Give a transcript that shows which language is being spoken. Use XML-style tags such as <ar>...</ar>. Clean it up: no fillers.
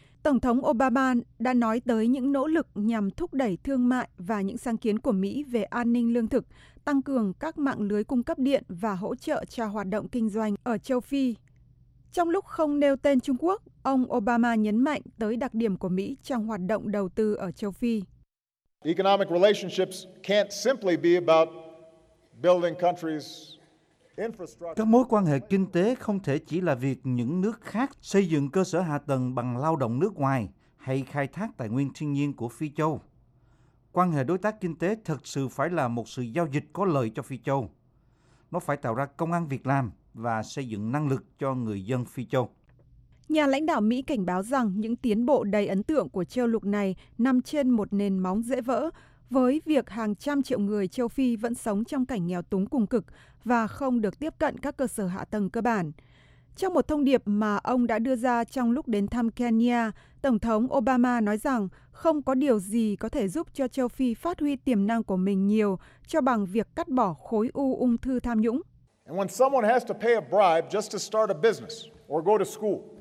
<vi>Tổng thống Obama đã nói tới những nỗ lực nhằm thúc đẩy thương mại và những sáng kiến của Mỹ về an ninh lương thực, tăng cường các mạng lưới cung cấp điện và hỗ trợ cho hoạt động kinh doanh ở châu Phi. Trong lúc không nêu tên Trung Quốc, ông Obama nhấn mạnh tới đặc điểm của Mỹ trong hoạt động đầu tư ở châu Phi.</vi> <en>Economic relationships can't simply be about building countries.</en> <vi>Các mối quan hệ kinh tế không thể chỉ là việc những nước khác xây dựng cơ sở hạ tầng bằng lao động nước ngoài hay khai thác tài nguyên thiên nhiên của Phi Châu. Quan hệ đối tác kinh tế thực sự phải là một sự giao dịch có lợi cho Phi Châu. Nó phải tạo ra công ăn việc làm và xây dựng năng lực cho người dân Phi Châu. Nhà lãnh đạo Mỹ cảnh báo rằng những tiến bộ đầy ấn tượng của châu lục này nằm trên một nền móng dễ vỡ, với việc hàng trăm triệu người châu Phi vẫn sống trong cảnh nghèo túng cùng cực và không được tiếp cận các cơ sở hạ tầng cơ bản. Trong một thông điệp mà ông đã đưa ra trong lúc đến thăm Kenya, Tổng thống Obama nói rằng không có điều gì có thể giúp cho châu Phi phát huy tiềm năng của mình nhiều cho bằng việc cắt bỏ khối u ung thư tham nhũng.</vi> <en>And when someone has to pay a bribe just to start a business or go to school.</en>